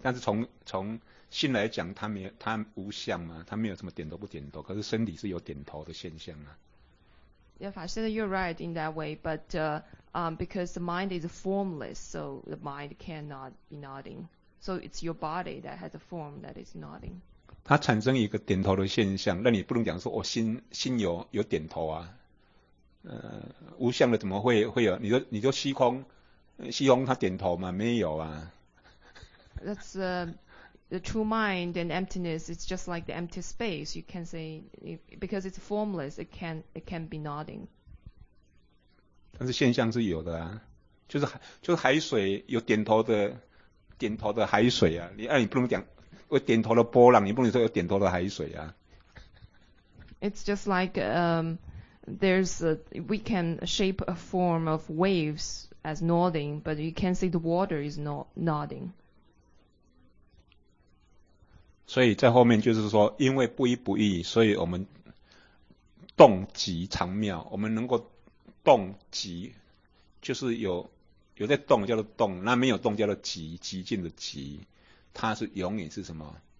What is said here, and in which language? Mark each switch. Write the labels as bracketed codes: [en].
[zh] 但是从心来讲，他没有，他无相嘛，他没有什么点头不点头。可是身体是有点头的现象啊。 [en] Yeah, 法师 you're right in that way, but because the mind is formless, so the mind cannot be nodding. So it's your body that has a form that is nodding. [zh] 它产生一个点头的现象，那你不能讲说我、哦、心有点头啊。无相的怎么会有？你说虚空，虚空它点头吗？没有啊。 [en] That's the true mind and emptiness. It's just like the empty space. You can say because it's formless, it can be nodding. [zh] 但是现象是有的啊，就是海水有点头的海水啊。你不能讲有点头的波浪，你不能说有点头的海水啊。 [en] It's just like we can shape a form of waves as nodding, but you can say the water is not nodding. [zh] 所以在后面就是说，因为不依不异，所以我们动即常妙。我们能够动即，就是有在动叫做动，那没有动叫做即，即静的即，它是永远是什么？